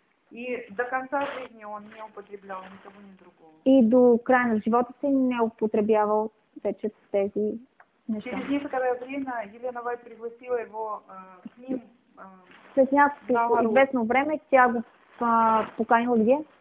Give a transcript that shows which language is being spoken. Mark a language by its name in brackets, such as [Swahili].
[Russian] И до конца жизни он не употреблял никого ни другого. [Bulgarian] И до края на живота си не употребявал вече тези неща. [Russian] Через некоторое время Елена Вай пригласила его к ним. [Bulgarian] След някакво известно време тя го поканила где?